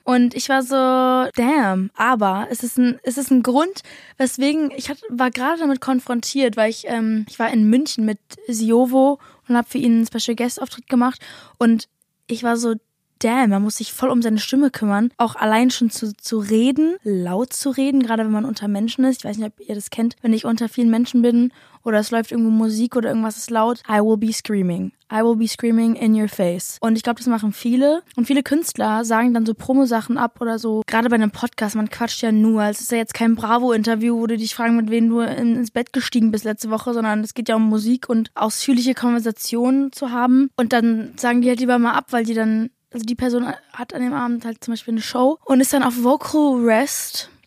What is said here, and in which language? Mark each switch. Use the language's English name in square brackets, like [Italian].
[German] Und ich war so, damn. Aber es ist ein Grund, weswegen ich war gerade damit konfrontiert, weil ich war in München mit Siovo und habe für ihn einen Special Guest Auftritt gemacht. Und ich war so, damn, er muss sich voll um seine Stimme kümmern. Auch allein schon zu reden, laut zu reden, gerade wenn man unter Menschen ist. Ich weiß nicht, ob ihr das kennt, wenn ich unter vielen Menschen bin oder es läuft irgendwo Musik oder irgendwas ist laut. [English] I will be screaming in your face. [German] Und ich glaube, das machen viele. Und viele Künstler sagen dann so Promo-Sachen ab oder so. Gerade bei einem Podcast, man quatscht ja nur. Es ist ja jetzt kein Bravo-Interview, wo du dich fragst, mit wem du ins Bett gestiegen bist letzte Woche, sondern es geht ja um Musik und ausführliche Konversationen zu haben. Und dann sagen die halt lieber mal ab, weil die dann, also die Person hat an dem Abend halt zum Beispiel eine Show und ist dann auf Vocal Rest.